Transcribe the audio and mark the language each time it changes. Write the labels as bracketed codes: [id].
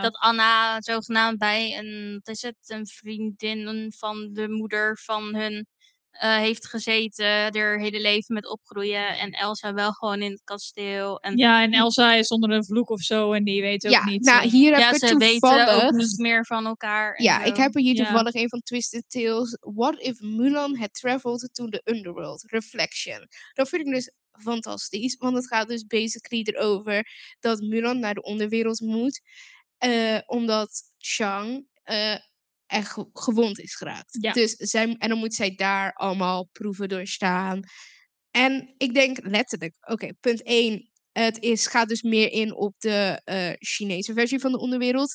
[nl] Dat Anna zogenaamd bij een... wat is het? Een vriendin van de moeder van hun... heeft gezeten, haar hele leven met opgroeien. En Elsa wel gewoon in het kasteel. En... Ja, en Elsa is onder een vloek of zo. En die weet ook niet. Nou, hier heb ze toevallig... weten ook niet meer van elkaar. Ja, ik heb hier toevallig een van Twisted Tales. [en] What if Mulan had traveled to the underworld? [nl] Reflection. Dat vind ik dus fantastisch. Want het gaat dus basically erover dat Mulan naar de onderwereld moet. Omdat Shang... en gewond is geraakt. Ja. Dus zij, en dan moet zij daar allemaal proeven doorstaan. En ik denk letterlijk... Oké, punt 1. Het gaat dus meer in op de Chinese versie van de onderwereld.